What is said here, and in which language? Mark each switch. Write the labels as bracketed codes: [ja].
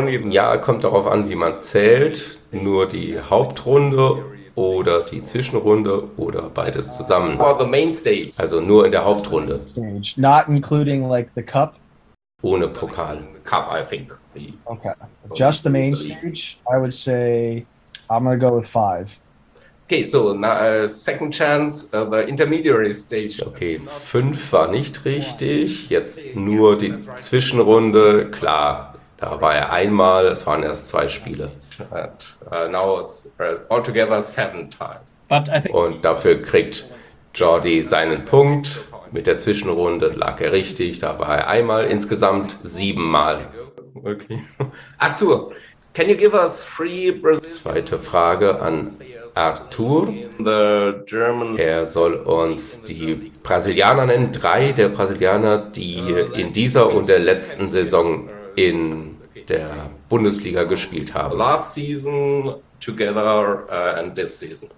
[de] Ja, kommt darauf an, wie man zählt. Nur die Hauptrunde oder die Zwischenrunde oder beides zusammen. [en] Or the main stage. [de] Also nur in der Hauptrunde. [en] Stage. Not including like the cup. [de] Ohne Pokal. [en] Cup, I think. Okay. Just the main stage. I would say I'm gonna go with five. Okay, so second chance, the intermediary stage. [de] Okay, fünf war nicht richtig. Jetzt nur die Zwischenrunde. Klar, da war er einmal. Es waren erst zwei Spiele. [en] Now it's altogether seven times. [de] Und dafür kriegt Jordi seinen Punkt. Mit der Zwischenrunde lag er richtig. Da war er einmal, insgesamt siebenmal. [en] Okay. Arthur, can you give us three Brazilian... [de] Zweite Frage an Arthur. Er soll uns die Brasilianer nennen. Drei der Brasilianer, die in dieser und der letzten Saison in der Bundesliga gespielt haben. [en] Last season together and this season.